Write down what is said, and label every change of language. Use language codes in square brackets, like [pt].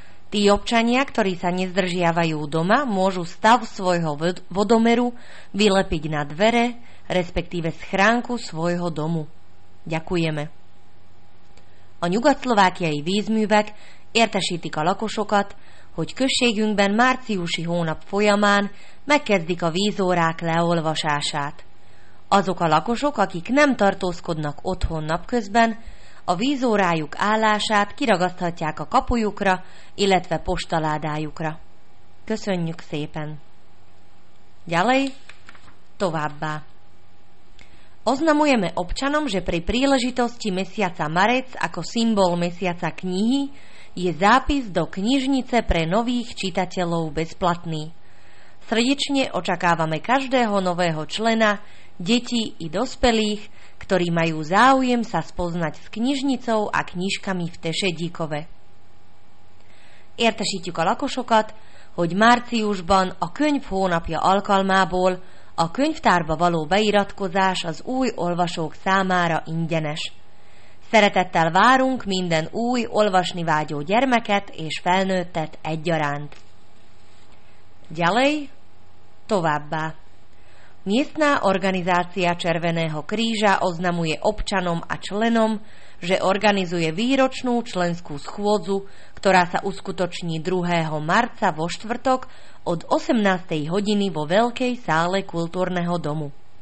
[sk] Tí občania, ktorí sa nezdržiavajú doma, môžu stav svojho vodomeru vylepiť na dvere, respektíve schránku svojho domu. Ďakujeme. [hu] A nyugatszlovákiai vízművek értesítik a lakosokat, hogy községünkben márciusi hónap folyamán megkezdik a vízórák leolvasását. Azok a lakosok, akik nem tartózkodnak otthon napközben, a vízórájuk állását kiragaszthatják a kapujukra, illetve postaládájukra. Köszönjük szépen! [sk] Ďalej, [hu] továbbá. [sk] Oznamujeme občanom, že pri príležitosti mesiaca marec ako symbol mesiaca knihy je zápis do knižnice pre nových čitateľov bezplatný. Srdečne očakávame každého nového člena, detí i dospelých, ktorí majú záujem sa spoznať s knižnicou a knižkami v Tešedíkove. [hu] Értesítjük a lakosokat, hogy márciusban a könyv hónapja alkalmából a könyvtárba való beiratkozás az új olvasók számára ingyenes. Szeretettel várunk minden új olvasni vágyó gyermeket és felnőttet egyaránt. [sk] Ďalej, [hu] továbbá. [sk] Miestna organizácia Červeného kríža oznamuje občanom a členom, že organizuje výročnú členskú schôdzu, ktorá sa uskutoční 2. marca vo štvrtok od 18. hodiny vo Veľkej sále kultúrneho domu.